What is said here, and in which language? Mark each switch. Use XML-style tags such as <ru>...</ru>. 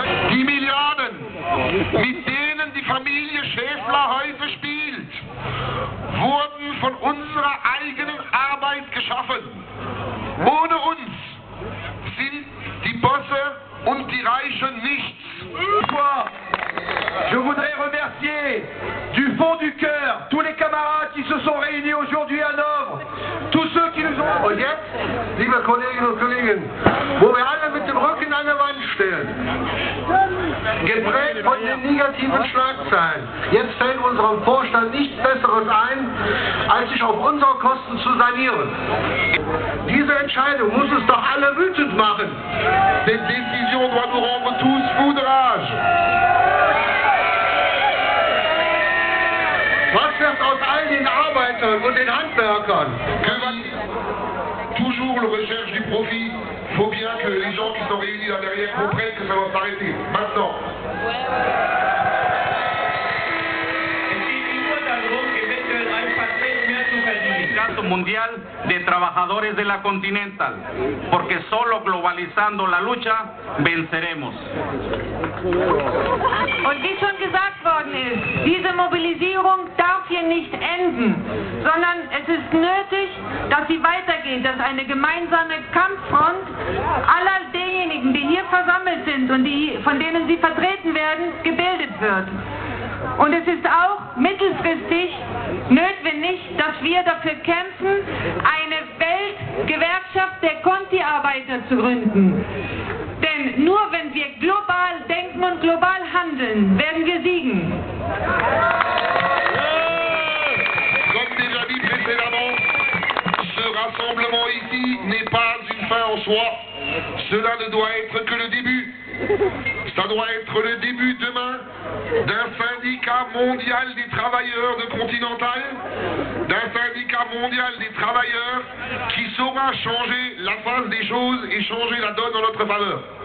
<de>Die Milliarden, mit denen die Familie Schäffler heute spielt, wurden von unserer eigenen Arbeit geschaffen. Ohne uns sind die Bosse und die Reichen nichts.</de> <fr>Je voudrais remercier du fond du cœur tous les camarades qui se sont réunis aujourd'hui à Hanovre, tous ceux qui nous ont...</fr> <de>Und jetzt, liebe Kolleginnen und Kollegen, wo wir alle mit dem Rücken an der Wand stehen, geprägt von den negativen Schlagzeilen, jetzt fällt unserem Vorstand nichts Besseres ein, als sich auf unsere Kosten zu sanieren. Diese Entscheidung muss es doch alle wütend machen.</de> <fr>Cette décision doit nous rendre tous fous de rage. Was wird aus all den Arbeitern und den Handwerkern? Que va toujours la recherche du profit. Faut bien que les gens qui sont réunis là derrière comprennent que ça va s'arrêter. Maintenant.</fr> <de>Es geht nur darum, eventuell ein paar Cent mehr zu verdienen. Ganz</de> <es>Movimiento Mundial de Trabajadores de la Continental, porque solo globalizando la lucha venceremos.</es> <de>Und wie schon gesagt worden ist, diese Mobilisierung darf hier nicht enden, sondern es ist nötig, dass sie weitergeht, dass eine gemeinsame Kampffront aller derjenigen, die hier versammelt sind und die, von denen sie vertreten werden, gebildet wird. Und es ist auch mittelfristig notwendig, dass wir dafür kämpfen, eine Weltgewerkschaft der Conti-Arbeiter zu gründen. Denn nur wenn wir global denken und global handeln, werden wir siegen.</de> <fr>Comme déjà dit précédemment, ce rassemblement ici n'est pas une fin en soi. Cela ne doit être que le début. Ça doit être le début demain d'un syndicat mondial des travailleurs de Continental, d'un syndicat mondial des travailleurs qui saura changer la face des choses et changer la donne en notre faveur.</fr>